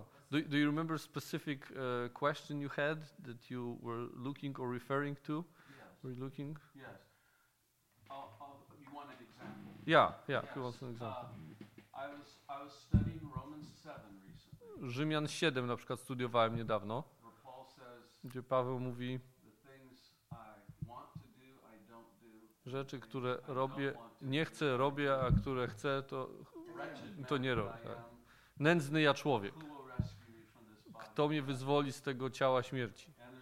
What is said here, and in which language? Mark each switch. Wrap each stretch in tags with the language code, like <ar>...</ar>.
<en>Do you remember specific question you had that you were looking or referring to? Yes. Were you looking? Yes. You wanted an example. Yeah, yes. He wants an example. I was studying Romans 7 recently.</en> <pl>Rzymian 7 na przykład studiowałem niedawno.</pl> <en>Where Paul says,</en> <pl>gdzie Paweł mówi,</pl> <en>the things I want to do, I don't do.</en> <pl>Rzeczy, które robię, nie chcę, robię, a które chcę, to nie robię. Nędzny ja człowiek. Kto mnie wyzwoli z tego ciała śmierci?</pl>